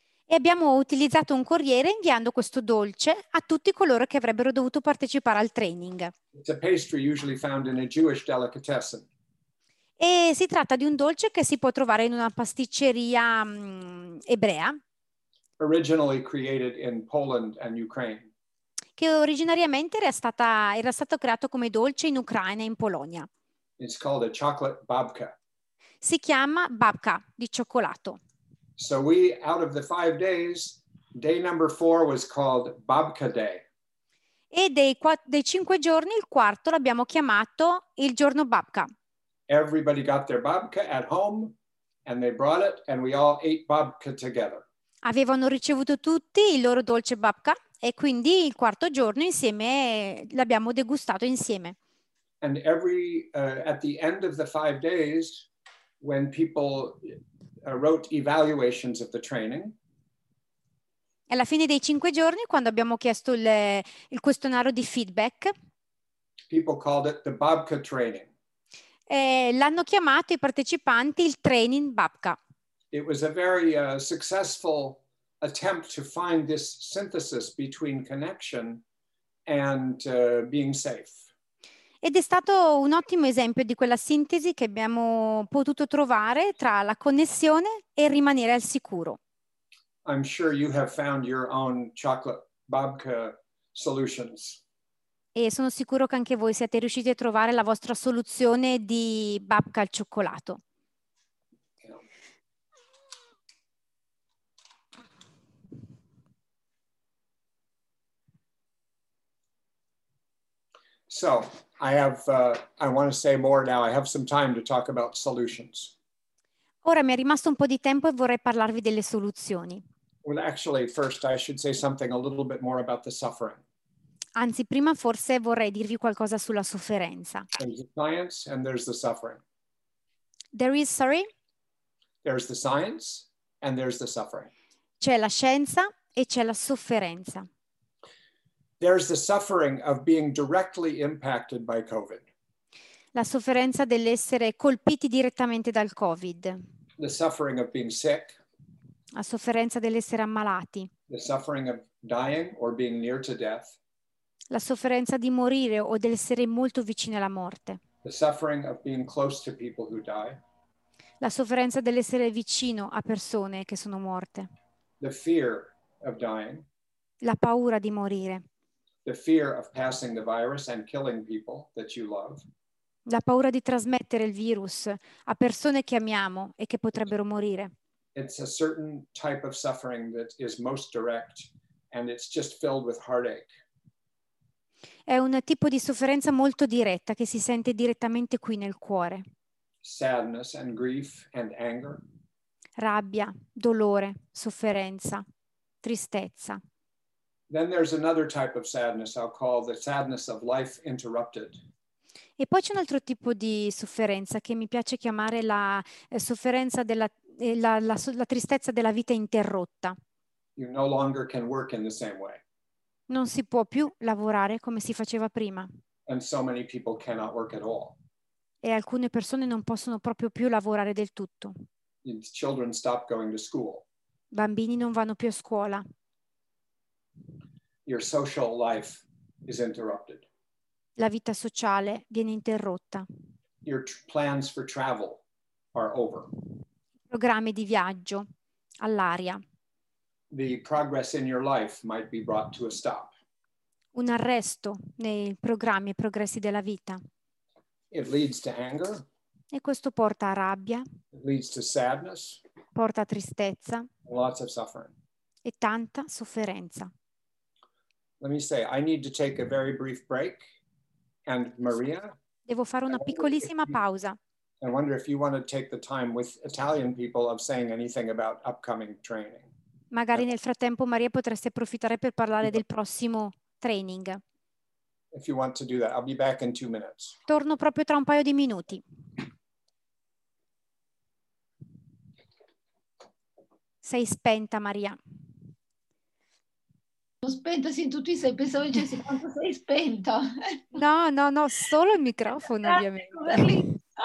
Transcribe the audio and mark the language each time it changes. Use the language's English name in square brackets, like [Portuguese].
[Italian] E abbiamo utilizzato un corriere inviando questo dolce a tutti coloro che avrebbero dovuto partecipare al training. [English] It's a pastry usually found in a Jewish delicatessen. [Italian] E si tratta di un dolce che si può trovare in una pasticceria ebrea. [English] Originally created in Poland and Ukraine. [Italian] Che originariamente era stato creato come dolce in Ucraina e in Polonia. [English] It's called a chocolate babka. [Italian] Si chiama babka di cioccolato. [English] So we, out of the 5 days, day number 4 was called Babka Day. [Italian] E dei 5 giorni, il quarto l'abbiamo chiamato il giorno Babka. [English] Everybody got their babka at home, and they brought it, and we all ate babka together. [Italian] Avevano ricevuto tutti il loro dolce babka, e quindi il quarto giorno insieme l'abbiamo degustato insieme. [English] And every, at the end of the 5 days, when people wrote evaluations of the training. [Italian] E alla fine dei 5 giorni, quando abbiamo chiesto il questionario di feedback, [English] people called it the Babka training. [Italian] L'hanno chiamato i partecipanti il training Babka. [English] It was a very successful attempt to find this synthesis between connection and being safe. [Italian] Ed è stato un ottimo esempio di quella sintesi che abbiamo potuto trovare tra la connessione e rimanere al sicuro. [English] I'm sure you have found your own chocolate babka solutions. [Italian] E sono sicuro che anche voi siate riusciti a trovare la vostra soluzione di babka al cioccolato. [English] So, I want to say more now. I have some time to talk about solutions. [Italian] Ora mi è rimasto un po' di tempo e vorrei parlarvi delle soluzioni. [English] Well, actually, first I should say something a little bit more about the suffering. [Italian] Anzi, prima forse vorrei dirvi qualcosa sulla sofferenza. [English] There's the science and there's the suffering. There's the science and there's the suffering. [Italian] C'è la scienza e c'è la sofferenza. [English] There's the suffering of being directly impacted by COVID. [Italian] La sofferenza dell'essere colpiti direttamente dal COVID. [English] The suffering of being sick. [Italian] La sofferenza dell'essere ammalati. [English] The suffering of dying or being near to death. [Italian] La sofferenza di morire o dell'essere molto vicino alla morte. [English] The suffering of being close to people who die. [Italian] La sofferenza dell'essere vicino a persone che sono morte. [English] The fear of dying. [Italian] La paura di morire. [English] The fear of passing the virus and killing people that you love. [Italian] La paura di trasmettere il virus a persone che amiamo e che potrebbero morire. [English] It's a certain type of suffering that is most direct and it's just filled with heartache. [Italian] È un tipo di sofferenza molto diretta che si sente direttamente qui nel cuore. [English] Sadness and grief and anger. [Italian] Rabbia, dolore, sofferenza, tristezza. [English] Then there's another type of sadness I'll call the sadness of life interrupted. [Italian] E poi c'è un altro tipo di sofferenza che mi piace chiamare la sofferenza della la tristezza della vita interrotta. [English] You no longer can work in the same way. [Italian] Non si può più lavorare come si faceva prima. [English] And so many people cannot work at all. [Italian] E alcune persone non possono proprio più lavorare del tutto. [English] And children stop going to school. [Italian] Bambini non vanno più a scuola. [English] Your social life is interrupted. [Italian] La vita sociale viene interrotta. [English] Your plans for travel are over. [Italian] Programmi di viaggio all'aria. [English] The progress in your life might be brought to a stop. [Italian] Un arresto nei programmi e progressi della vita. [English] It leads to anger. [Italian] E questo porta a rabbia. [English] It leads to sadness. [Italian] Porta a tristezza. [English] And lots of suffering. [Italian] E tanta sofferenza. [English] Let me say, I need to take a very brief break. And Maria? [Italian] Devo fare una piccolissima pausa. [English] I wonder if you want to take the time with Italian people of saying anything about upcoming training. [Italian] Magari nel frattempo Maria potreste approfittare per parlare del prossimo training. [English] If you want to do that, I'll be back in 2 minutes. [Italian] Torno proprio tra un paio di minuti. Sei spenta, Maria. Sono spenta, sì, tutti sei, pensavo dicessi quanto sei spenta. No, no, no, solo il microfono, grazie, ovviamente.